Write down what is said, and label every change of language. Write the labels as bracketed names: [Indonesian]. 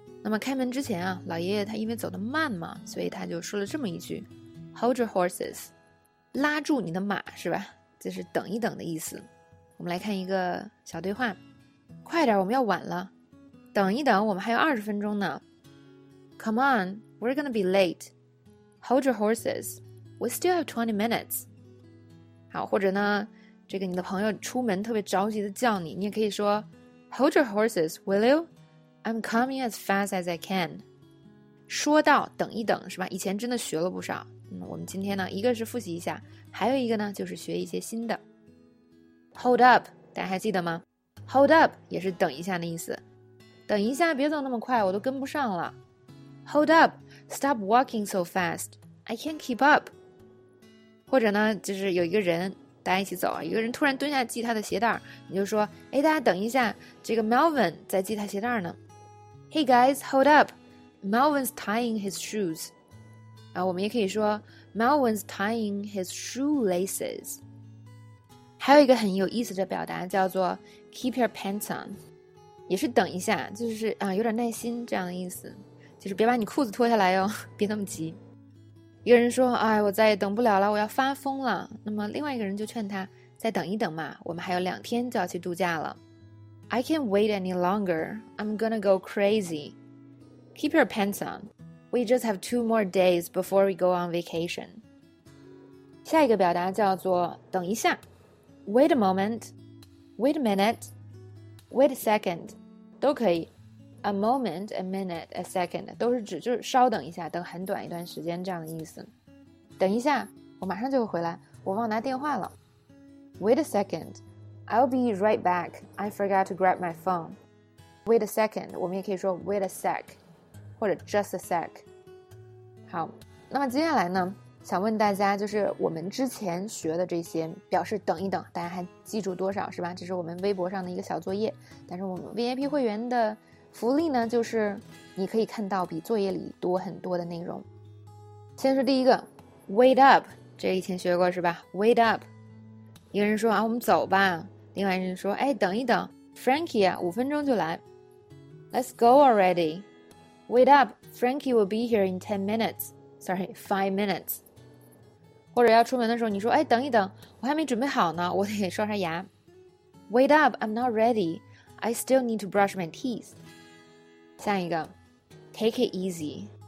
[Chinese] 那么开门之前啊，老爷爷他因为走得慢嘛，所以他就说了这么一句 Hold your horses，拉住你的马是吧，就是等一等的意思。我们来看一个小对话，快点，我们要晚了，等一等，我们还有20分钟呢。 [English] Come on, we're gonna be late. Hold your horses, we still have 20 minutes. [Chinese] 好，或者呢，这个你的朋友出门特别着急的叫你，你也可以说 Hold your horses, will you? [English] I'm coming as fast as I can. [Chinese] 说到等一等是吧，以前真的学了不少，我们今天呢，一个是复习一下，还有一个呢，就是学一些新的。 Hold up, 大家还记得吗？Hold up 也是等一下的意思。等一下，别走那么快，我都跟不上了。 [English] Hold up, stop walking so fast, I can't keep up. [Chinese] 或者呢，就是有一个人，大家一起走，一个人突然蹲下系他的鞋带，你就说，哎，大家等一下，这个 Melvin 在系他鞋带呢。 [English] Hey guys, hold up, Melvin's tying his shoes. [Chinese] 啊，我们也可以说 Melvin's tying his shoelaces. 还有一个很有意思的表达叫做 keep your pants on, 也是等一下，就是啊，有点耐心这样的意思，就是别把你裤子脱下来哟，别那么急。一个人说，哎，我再也等不了了，我要发疯了。那么另外一个人就劝他，再等一等嘛，我们还有2天就要去度假了。 I can't wait any longer, I'm gonna go crazy. [English] Keep your pants on. We just have 2 more days before we go on vacation. [Chinese] 下一个表达叫做等一下。 [English] Wait a moment. Wait a minute. Wait a second. 都可以。 A moment, a minute, a second. [Chinese] 都是指就是稍等一下，等很短一段时间这样的意思。等一下，我马上就会回来，我忘拿电话了。 [English] Wait a second. I'll be right back. I forgot to grab my phone. Wait a second. [Chinese] 我们也可以说 wait a sec. [English] 或者 just a sec. [Chinese] 好，那么接下来呢，想问大家，就是我们之前学的这些表示等一等，大家还记住多少是吧？这是我们微博上的一个小作业，但是我们 VIP 会员的福利呢，就是你可以看到比作业里多很多的内容。先是第一个 wait up, 这以前学过是吧？ wait up, 一个人说啊，我们走吧，另外一个人说，哎，等一等， Frankie 啊，5分钟就来， let's go alreadyWait up, Frankie will be here in 10 minutes. [English] Sorry, 5 minutes. [Chinese] 或者要出门的时候，你说，哎，等一等，我还没准备好呢，我得刷刷牙。 [English] Wait up, I'm not ready. I still need to brush my teeth. 下一个，Take it easy.